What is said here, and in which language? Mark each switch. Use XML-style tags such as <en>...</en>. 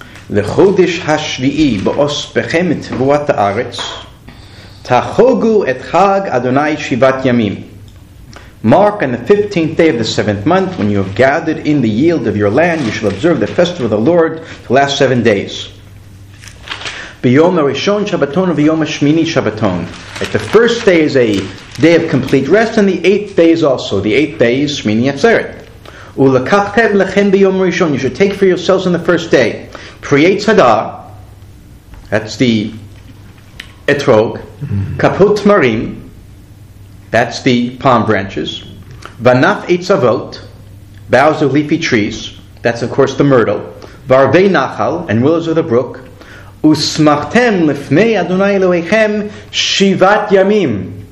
<he>לחודש השביעי באוספכם את תבואת הארץ תחוגו את חג אדוני שבעת ימים.</he> <en>Mark on the 15th day of the 7th month, when you have gathered in the yield of your land, you shall observe the festival of the Lord to last 7 days.</en> <he>ביום הראשון שבתון וביום השמיני שבתון.</he> <en>At the first day is a day of complete rest, and the 8th day is also the 8th day is Shmini Atzeret.</en> <he>ולקחתם לכם ביום ראשון,</he> <en>you should take for yourselves on the first day, Priyei Tzedar, that's the etrog, Kapot Tmarim, that's the palm branches, Vanaf Eitzavot, boughs of leafy trees, that's of course the myrtle, Varvei Nachal, and willows of the brook,</en> <he>Usmachtem Lifnei Adonai Eloheichem Shivat Yamim.</he>